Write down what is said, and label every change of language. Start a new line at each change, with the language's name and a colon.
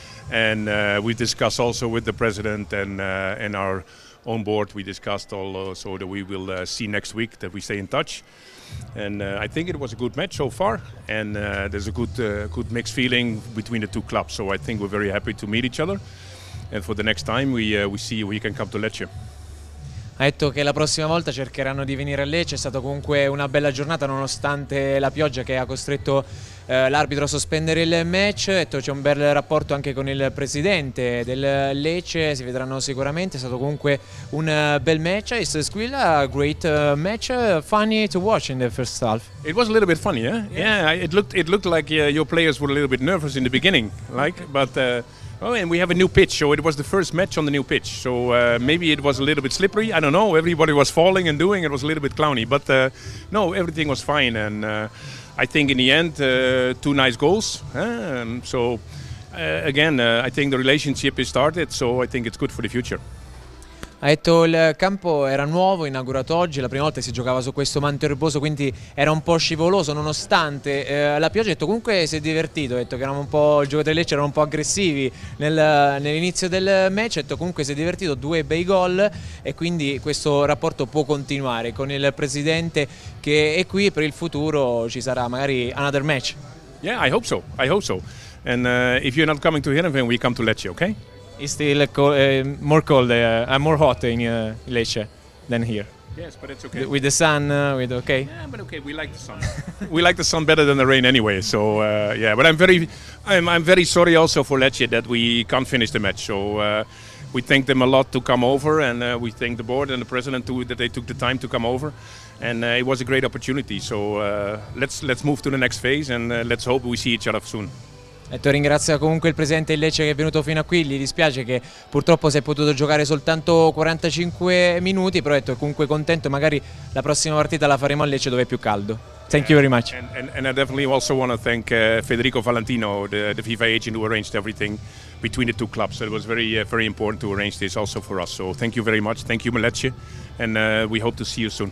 English: And we discussed also with the president and our own board, we discussed also that we will see next week, that we stay in touch. And I think it was a good match so far. And there's a good mixed feeling between the two clubs. So I think we're very happy to meet each other. And for the next time, we see we can come to Lecce.
Italian: Ha detto che la prossima volta cercheranno di venire a Lecce. È stata comunque una bella giornata nonostante la pioggia che ha costretto l'arbitro a sospendere il match. Ha detto c'è un bel rapporto anche con il presidente del Lecce, si vedranno sicuramente. È stato comunque un bel match.
English: It's still a great match, funny to watch in the first half. It was a little bit funny, eh? Yeah, it looked like your players were a little bit nervous in the beginning, like, but oh, and we have a new pitch, so it was the first match on the new pitch. So maybe it was a little bit slippery, I don't know. Everybody was falling and doing, it was a little bit clowny. But no, everything was fine. And I think in the end, two nice goals. So again, I think the relationship is started, so I think it's good for the future.
Italian: Ha detto il campo era nuovo, inaugurato oggi, la prima volta si giocava su questo manto erboso, quindi era un po' scivoloso nonostante la pioggia. Ha detto comunque si è divertito, ha detto che eravamo un po', il giocatore Lecce erano un po' aggressivi nell'inizio del match, ha detto comunque si è divertito, due bei gol e quindi questo rapporto può continuare con il presidente che è qui. Per il futuro ci sarà magari
English: another match. Yeah, I hope so, I hope so. And if you're not coming to Heerenveen, we come to Lecce, okay? It's still more hot in Lecce than here. Yes, but it's okay. With the sun, with okay. Yeah, but okay, we like the sun. We like the sun better than the rain anyway. So yeah, but I'm very sorry also for Lecce that we can't finish the match. So we thank them a lot to come over, and we thank the board and the president too that they took the time to come over, and it was a great opportunity. So let's move to the next phase, and let's hope we see each other soon.
Italian: Detto, ringrazio comunque il presidente Lecce che è venuto fino a qui, gli dispiace che purtroppo si è potuto giocare soltanto 45 minuti, però detto, è comunque contento, magari la prossima partita la faremo a Lecce dove è più caldo.
English: Thank you very much. And I definitely also want to thank Federico Valentino, the FIFA agent who arranged everything between the two clubs. So it was very very important to arrange this also for us. So thank you very much. Thank you Lecce, and we hope to see you soon.